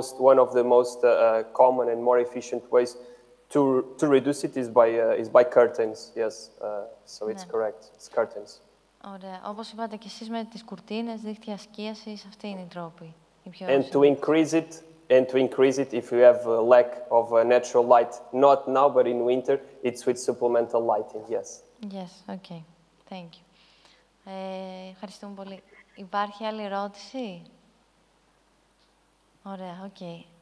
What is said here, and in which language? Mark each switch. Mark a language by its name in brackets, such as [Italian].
[English] One of the most common and more efficient ways to reduce it is by curtains. Yes, so it's correct. It's curtains. [Greek] Ωραία. Όπως είπατε και εσείς με τις κουρτίνες, δίχτυα σκίασης, αυτή είναι η τρόπη. [English] And to increase it, if you have a lack of natural light, not now, but in winter, it's with supplemental lighting, yes. Yes, okay. Thank you. [Greek] Ευχαριστούμε πολύ. Υπάρχει άλλη ερώτηση? Ωραία, okay.